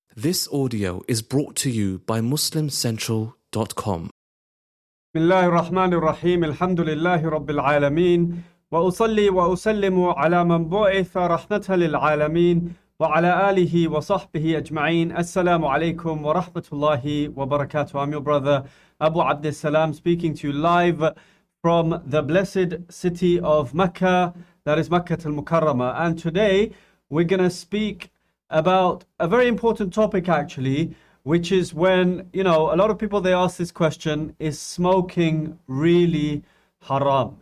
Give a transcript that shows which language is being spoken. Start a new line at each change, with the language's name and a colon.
English: This audio is brought to you by MuslimCentral.com.
Arabic: بسم الله الرحمن الرحيم الحمد لله رب العالمين وأصلي وأسلم على من بعث رحمة للعالمين وعلى آله وصحبه أجمعين السلام عليكم ورحمة الله وبركاته.
English: I'm your brother Abu Abdul Salam speaking to you live from the blessed city of Mecca, that is Makkah al-Mukarramah. And today we're going to speak about a very important topic, actually, which is when, you know, a lot of people, they ask this question, is smoking really haram?